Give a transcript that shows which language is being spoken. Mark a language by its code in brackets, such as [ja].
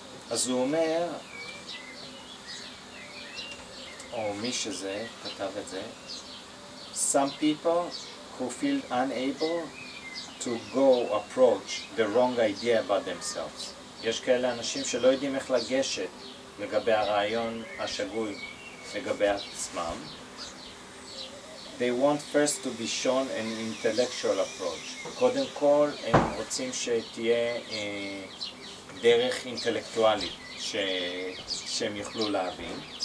[he] אז הוא אומר, או מי שזה כתב את זה, [en] some people who feel unable to go approach the wrong idea about themselves. [he] יש כאלה אנשים שלא יודעים איך לגשת לגבי הרעיון השגוי לגבי עצמם. [en] They want first to be shown an intellectual approach. [he] קודם כל הם רוצים שתהיה דרך אינטלקטואלית שהם יוכלו להבין.